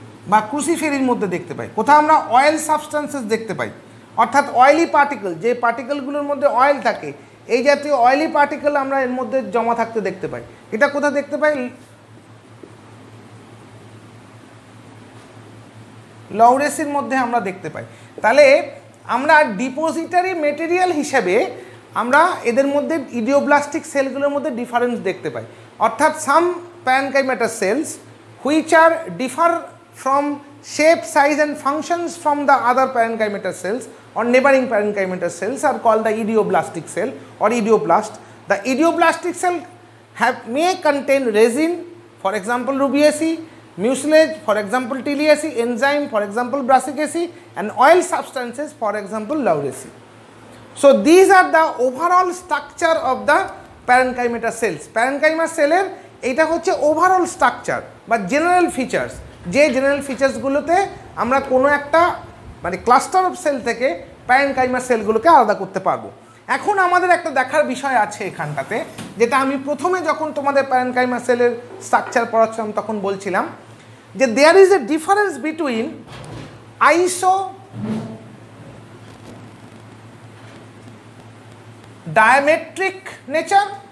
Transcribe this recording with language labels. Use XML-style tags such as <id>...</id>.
<bn>বা ক্রুসিফেরির মধ্যে দেখতে পাই, কোথাও আমরা অয়েল সাবস্টান্সেস দেখতে পাই, অর্থাৎ অয়েলি পার্টিকেল, যে পার্টিকেলগুলোর মধ্যে অয়েল থাকে এই জাতীয় অয়েলি পার্টিকেল আমরা এর মধ্যে জমা থাকতে দেখতে পাই, এটা কোথাও দেখতে পাই লউরেসির মধ্যে আমরা দেখতে পাই। তাহলে আমরা ডিপোজিটারি মেটেরিয়াল হিসেবে আমরা এদের মধ্যে ইডিওব্লাস্টিক সেলগুলোর মধ্যে ডিফারেন্স দেখতে পাই, অর্থাৎ সাম</bn> <en>parenchymatous cells which are differ from shape, size and functions from the other parenchymatous cells or neighboring parenchymatous cells are called the idioblastic cell or idioblast. The idioblastic cell may contain resin, for example rubiaceae, mucilage, for example tiliaceae, enzyme, for example brassicaceae and oil substances, for example lauraceae. So these are the overall structure of the parenchymatous cells.</en> <bn>Parenchyma cell এটা হচ্ছে overall structure বা general features, যে general ফিচার্সগুলোতে আমরা কোনো একটা মানে cluster of sell থেকে parenchyma সেলগুলোকে আলাদা করতে পারবো। এখন আমাদের একটা দেখার বিষয় আছে এখানটাতে, যেটা আমি প্রথমে যখন তোমাদের প্যারেনকাইমা সেলের স্ট্রাকচার পড়াচ্ছিলাম তখন বলছিলাম যে</bn> <en>There is a difference between isodiametric nature.</en>